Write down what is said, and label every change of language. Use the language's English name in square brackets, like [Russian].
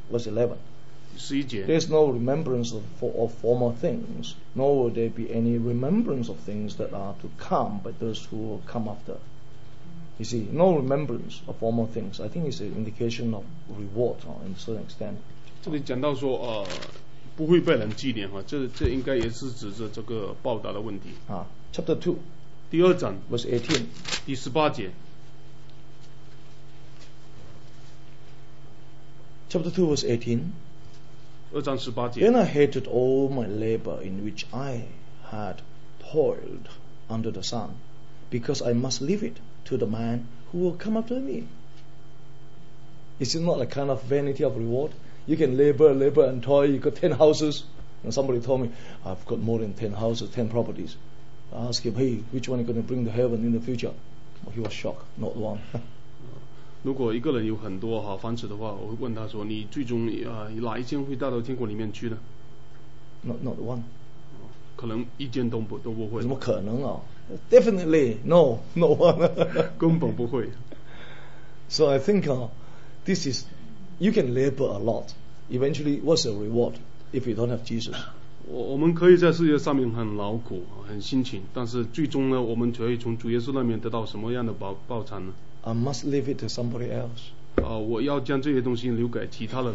[English] Verse 11. [Chinese] 十一节。 [English] There is no remembrance of former things, nor will there be any remembrance of things that are to come by those who will come after. You see, no remembrance of former things. I think it's an indication of reward, in a certain extent. [Chinese] 这里讲到说，不会被人纪念，这应该也是指着这个报答的问题。 [English] Chapter 2. [Chinese] 第二章。 [English] Verse 18. [Chinese] 第十八节。 [English] Chapter 2, verse 18. [Chinese] 二章十八节。 [English] Then I hated all my labor in which I had toiled under the sun, because I must leave it to the man who will come after me. Is it not a kind of vanity of reward? You can labor and toil. You got 10 houses, and somebody told me, I've got more than 10 houses, 10 properties. I asked him, hey, which one are you going to bring to heaven in the future? Well, he was shocked, not one. [Chinese] 如果一个人有很多房子的话，我会问他说：“你最终哪一间会带到天国里面去呢 [English] ？”Not one， [Chinese] 可能一间都不会。怎么可能啊 [English] ？Definitely no， no one， [Chinese] 根本不会。 [English] So I think this is you can labor a lot. Eventually, what's the reward if you don't have Jesus？ [Chinese] 我们可以在世界上面很劳苦、很辛勤，但是最终呢，我们可以从主耶稣那边得到什么样的报偿呢？ [English] I must leave it to somebody else. [Chinese] 我要将这些东西留给其他的人。